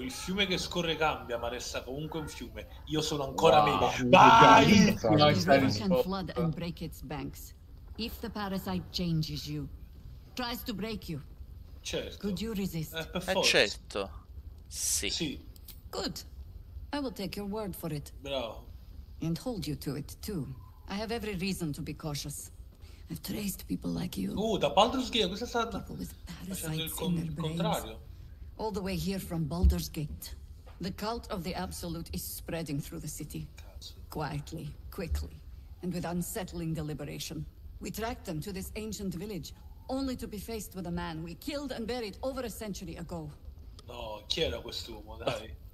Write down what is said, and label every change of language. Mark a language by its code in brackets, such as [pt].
[it] Il fiume che scorre cambia, ma resta comunque un fiume. Io sono ancora me. Vai! [en] Can flood and break its banks. If the parasite changes you, tries to break you. [it] Certo. [en] Could you resist? [it] Certo. Sì. Sì. [en] Good. I will take your word for it. [it] Bravo. [en] And hold you to it too. I have every reason to be cautious. I've traced people like you. [it] Da Baldur's Gate, questa è stata facendo il contrario. [en] All the way here from Baldur's Gate. The cult of the absolute is spreading through the city. [it] Cazzo. [en] Quietly, quickly, and with unsettling deliberation. We tracked them to this ancient village, only to be faced with a man we killed and buried over a century ago. [it] No, chi era quest'uomo, dai?